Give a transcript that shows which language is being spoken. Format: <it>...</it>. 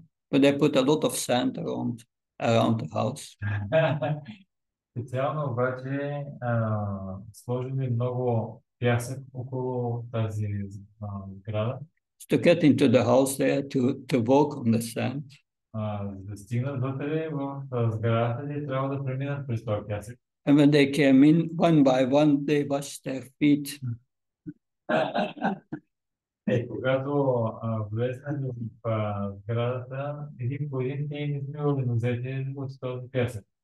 <en>But they put a lot of sand around the house.</en> <bg>Специално обаче сложили много пясък около тази сграда.</bg> <en>To get into the house there, to walk on the sand.</en> <bg>Да стигнат вътре в сградата и трябва да преминат през този пясък.</bg> <en>And when they came in, one by one, they washed their feet.</en> <bg>Е, когато влезнах в сградата, един по един те измивали нозете от този пясък.</bg>